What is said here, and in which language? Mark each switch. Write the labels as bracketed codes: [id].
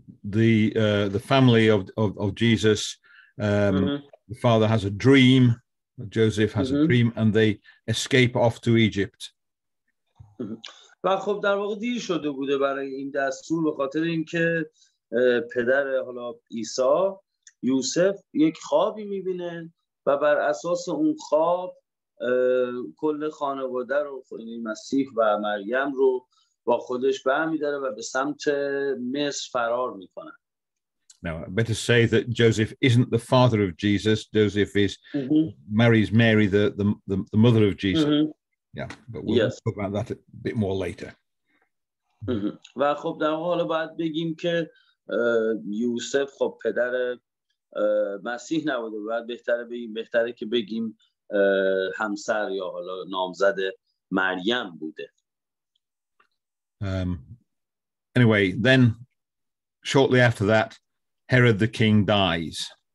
[en] The family of Jesus, the father has a dream, Joseph has a dream, and they escape off to Egypt. [fa] و خب در واقع دیر شده بوده برای این دستور به خاطر اینکه پدر حالا عیسی یوسف یک خوابی میبینه و بر اساس اون خواب کل خانواده رو یعنی مسیح و مریم رو با خودش برمی‌داره و به سمت مصر فرار میکنه. [en] Now, I better say that Joseph isn't the father of Jesus. Joseph is marries Mary, the mother of Jesus. Yeah, but we'll talk about that a bit more later. [fa] و خب در حالا باید بگیم که یوسف خب پدر مسیح نبوده، باید بهتره بگیم که همسر یا حالا نامزد مریم بوده. [en] Anyway, then shortly after that, Herod the king dies.